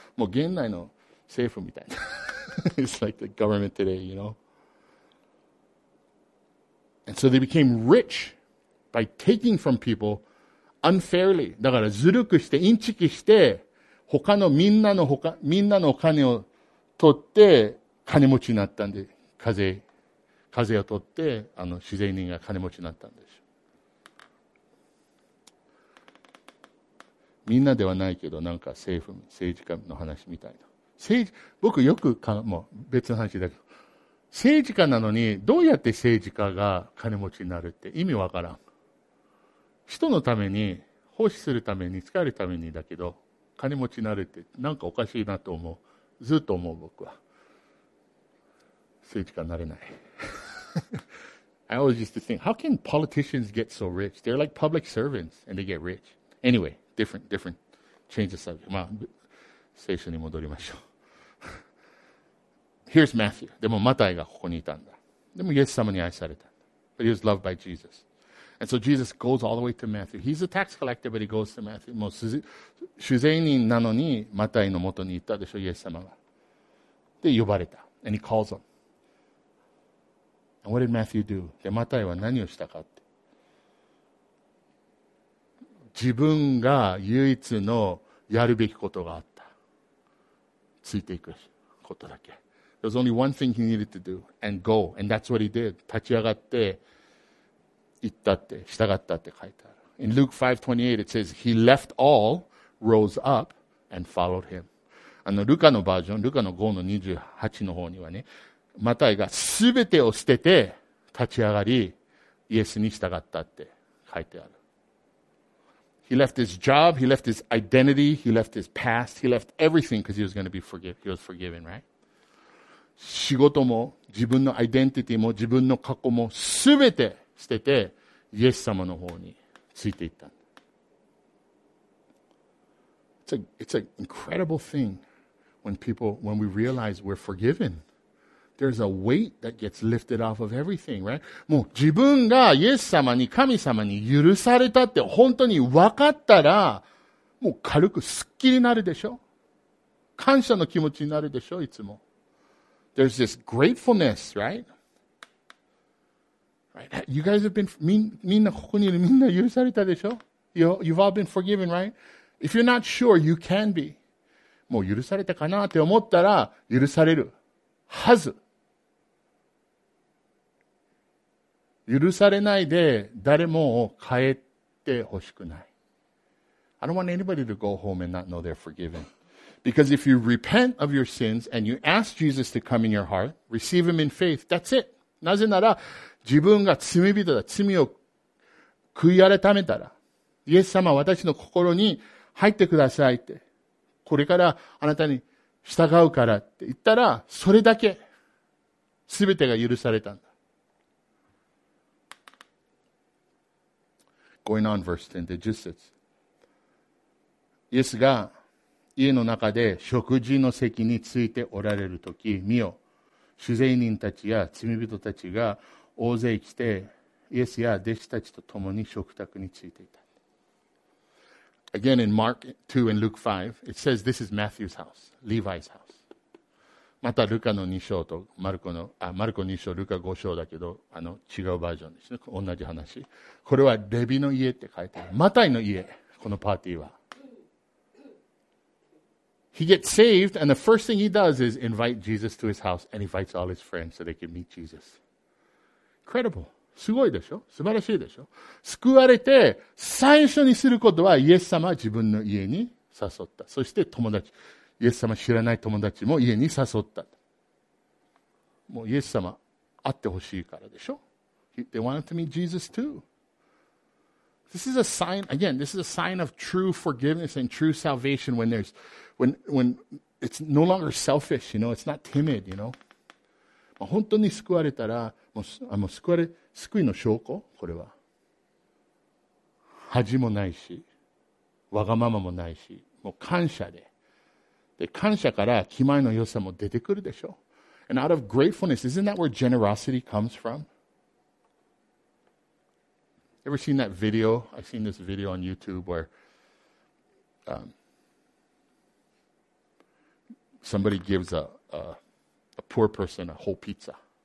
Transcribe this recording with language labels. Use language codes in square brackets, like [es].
[ja] もう現代の政府みたいな。 [en] It's like the government today, you know? And so they became rich by taking from people. Unfairly. [ja] だからずるくして、インチキして、他のみんなの他、みんなのお金を取って、金持ちになったんで、課税を取って、自然人が金持ちになったんでしょ。みんなではないけど、なんか政治家の話みたいな。僕よくもう別の話だけど、政治家なのに、どうやって政治家が金持ちになるって意味わからん。人のために、奉仕するために、使えるためにだけど、金持ちになるって、なんかおかしいなと思う。ずっと思う、僕は。政治家になれない。 [en] I always used to think, how can politicians get so rich? They're like public servants, and they get rich. Anyway, different. Change the subject. [ja] まあ、聖書に戻りましょう。 [en] Here's Matthew. [ja] でも、マタイがここにいたんだ。でも、イエス様に愛された。 [en] But he was loved by Jesus. And so Jesus goes all the way to Matthew. He's a tax collector, but he goes to Matthew. [ja] もう、主税人なのに、マタイの元に行ったでしょ、イエス様が。で、呼ばれた。 [en] And he calls him. And what did Matthew do? [ja] で、マタイは何をしたかって。自分が唯一のやるべきことがあった。ついていくことだけ。 [en] There's only one thing he needed to do, and go. And that's what he did. [ja] 立ち上がって、行ったって、従ったって書いてある。 [en] In Luke 5:28, it says, He left all, rose up, and followed him. [ja] あの、ルカのバージョン、ルカの5の28の方にはね、マタイが全てを捨てて立ち上がり、イエスに従ったって書いてある。 [en] He left his job, he left his identity, he left his past, he left everything because he was going to be forgiven, he was forgiven, right? [ja] 仕事も自分のアイデンティティも自分の過去も全て捨ててイエス様の方についていった。 [en] It's an incredible thing when we realize we're forgiven. There's a weight that gets lifted off of everything, right? [ja] もう自分がイエス様に神様に許されたって本当に分かったら、もう軽くすっきりになるでしょ。感謝の気持ちになるでしょ、いつも。 [en] There's this gratefulness, right? Right? You guys have been, [ja] みんなここにいるみんな許されたでしょ? [en] You've all been forgiven, right? If you're not sure, you can be. [ja] もう許されたかなって思ったら許されるはず。許されないで誰も帰ってほしくない。 [en] I don't want anybody to go home and not know they're forgiven. Because if you repent of your sins and you ask Jesus to come in your heart, receive him in faith, that's it. [ja] なぜなら、自分が罪人だ、罪を悔い改めたら、イエス様、私の心に入ってくださいって、これからあなたに従うからって言ったら、それだけ、すべてが許されたんだ。 [en] Going on verse 10, it just says, [ja] イエスが、家の中で食事の席についておられるとき、見よ、主税人たちや罪人たちが大勢来て、イエスや弟子たちと共に食卓についていた。 [en] Again, in Mark 2 and Luke 5, it says this is Matthew's house, Levi's house. [ja] また、ルカの2章とマルコ2章、ルカ5章だけど、違うバージョンですね。同じ話。これはレビの家って書いてある。マタイの家、このパーティーは。 [en] He gets saved, and the first thing he does is invite Jesus to his house, and invites all his friends so they can meet Jesus. Incredible. [ja] すごいでしょ?素晴らしいでしょ? 救われて最初にすることはイエス様自分の家に誘った。そして友達、イエス様知らない友達も家に誘った。もうイエス様会ってほしいからでしょ? [en] They wanted to meet Jesus too. This is a sign, again, this is a sign of true forgiveness and true salvation when it's no longer selfish, you know, it's not timid, you know. [ja] 本当に救われたら、救いの証拠、これは。恥もないし、わがままもないし、もう感謝で。で、感謝から気前の良さも出てくるでしょ。 [en] And out of gratefulness, isn't that where generosity comes from? Ever seen that video? I've seen this video on YouTube where somebody gives a poor person a whole pizza.